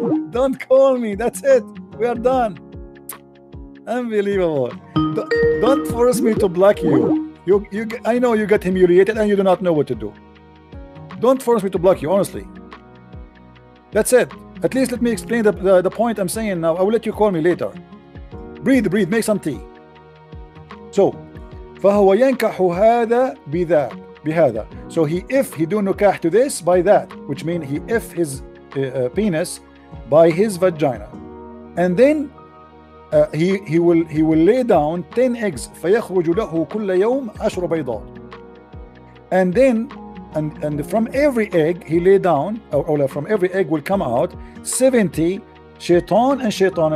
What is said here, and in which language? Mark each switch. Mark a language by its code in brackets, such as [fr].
[en] Don't call me. That's it. We are done. Unbelievable. Don't force me to block you. I know you get humiliated and you do not know what to do. Don't force me to block you, honestly. That's it. At least let me explain the point I'm saying now. I will let you call me later. Breathe. Make some tea. [ar] So, فَهُوَ يَنْكَحُ هَذَا بِذَاكَ. [en] So he do nukah to this by that, which means he his penis by his vagina. And then he will lay down 10 eggs. [ar] فيخرج له كل يوم 10 بيضات. [en] And then and from every egg he lay down, or from every egg will come out 70 شيطان and شيطانة.